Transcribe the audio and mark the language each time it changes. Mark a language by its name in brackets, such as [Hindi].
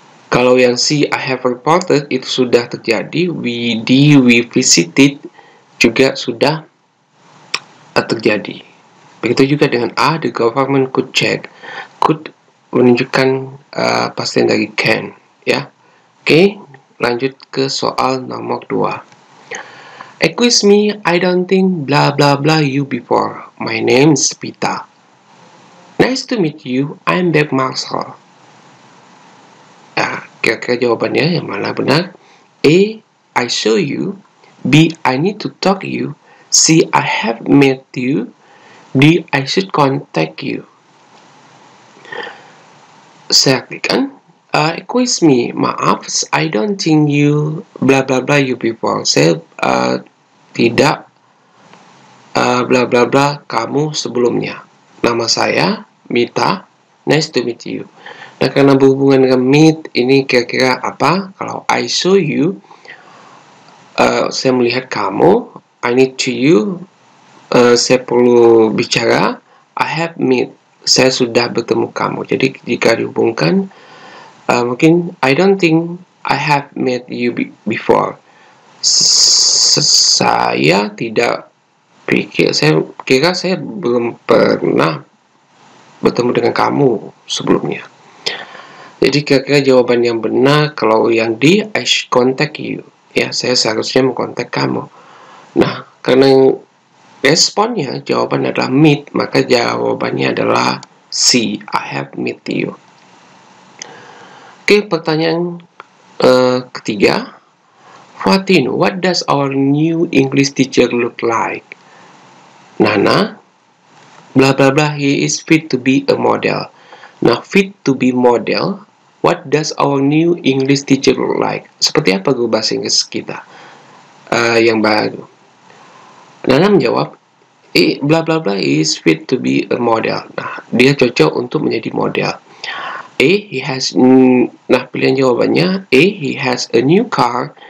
[Indonesian] Kalau yang C, [English] I have reported, [Indonesian] itu sudah terjadi. [English] We visited, [Indonesian] juga sudah terjadi. Begitu juga dengan A, [English] the government could check. [Indonesian] Could menunjukkan pastian dari can, ya. Oke, lanjut ke soal nomor 2. [English] Excuse me, I don't think blah blah blah you before. My name is Pita. Nice to meet you, I'm Beck Marshall. [Indonesian] Kira-kira jawabannya yang mana benar? [English] A. I show you. B. I need to talk you. C. I have met you. D. I should contact you. [Indonesian] Saya klikkan. [English] Excuse me. [Indonesian] Maaf. [English] I don't think you bla bla bla you before. [Indonesian] Saya tidak bla bla bla kamu sebelumnya. Nama saya Mita. [English] Nice to meet you. [Indonesian] Nah, karena berhubungan dengan meet, ini kira-kira apa? Kalau [English] I show you, [Indonesian] saya melihat kamu, [English] I need to you, [Indonesian] saya perlu bicara, [English] I have meet, [Indonesian] saya sudah bertemu kamu. Jadi, jika dihubungkan, mungkin [English] I don't think I have met you before. [Indonesian] Saya tidak pikir, saya kira saya belum pernah bertemu dengan kamu sebelumnya. Jadi kira-kira jawaban yang benar kalau yang D, [English] I should contact you, [Indonesian] ya, saya seharusnya mengkontak kamu. Nah, karena responnya jawaban adalah meet, maka jawabannya adalah C, [English] I have met you. [Indonesian] Oke, pertanyaan ketiga, [English] Fatin, what does our new English teacher look like? Nana, bla bla bla, he is fit to be a model. Nah, fit to be model. What does our new English teacher look like? [Indonesian] Seperti apa guru bahasa Inggris kita yang baru? [English] Nana menjawab, bla bla bla is fit to be a model. [Indonesian] Nah, dia cocok untuk menjadi model. [English] A, he has, [Indonesian] nah, pilihan jawabannya, [English] A, he has a new car.